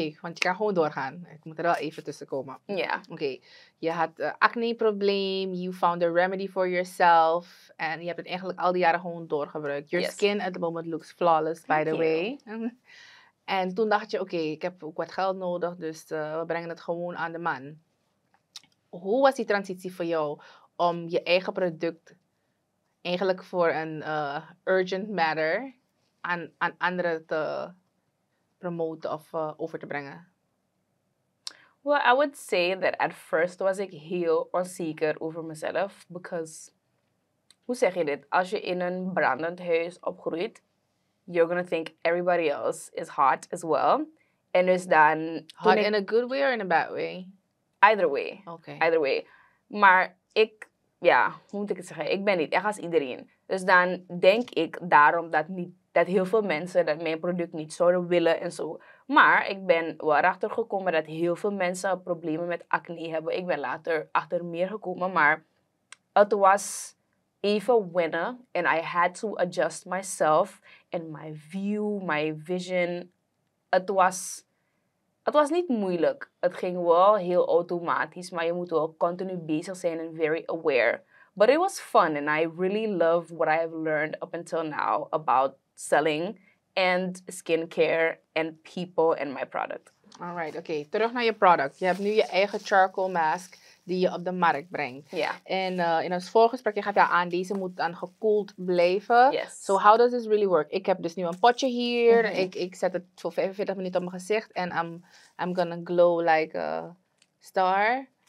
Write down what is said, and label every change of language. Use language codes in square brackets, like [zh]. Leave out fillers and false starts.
[nl] Want je kan gewoon doorgaan. Ik moet er wel even tussen komen. Ja. Yeah. Oké. Je had een acne-probleem. [en] You found a remedy for yourself. [nl] En je hebt het eigenlijk al die jaren gewoon doorgebruikt. [en] Your skin at the moment looks flawless, by the way. [nl] En toen dacht je, oké, ik heb ook wat geld nodig. Dus we brengen het gewoon aan de man. Hoe was die transitie voor jou... om je eigen product eigenlijk voor een urgent matter aan anderen te promoten of over te brengen? [en] Well, I would say that at first [nl] was ik heel onzeker over mezelf. Because, hoe zeg je dit? Als je in een brandend huis opgroeit, [en] you're gonna think everybody else is hot as well. [nl] En dus dan... [en] Hot in a good way or in a bad way? Either way. Okay. Either way. [nl] Maar ik... Ja, hoe moet ik het zeggen? Ik ben niet echt als iedereen. Dus dan denk ik daarom dat heel veel mensen dat mijn product niet zouden willen en zo. Maar ik ben wel erachter gekomen dat heel veel mensen problemen met acne hebben. Ik ben later achter meer gekomen. Maar het was even wennen. [en] And I had to adjust myself and my view, my vision. [nl] Het was niet moeilijk. Het ging wel heel automatisch. Maar je moet wel continu bezig zijn en [en] very aware. But it was fun, and I really love what I have learned up until now about selling and skincare and people and my product. All right, okay. [nl] Terug naar je product. Je hebt nu je eigen charcoal mask die je op de markt brengt. Ja. Yeah. En in ons vorige gesprek gaf je aan, deze moet dan gekoeld blijven. [en] Yes. So how does this really work? [nl] Ik heb dus nu een potje hier. Mm-hmm. Ik zet het voor 45 minuten op mijn gezicht. [en] En I'm gonna glow like a star.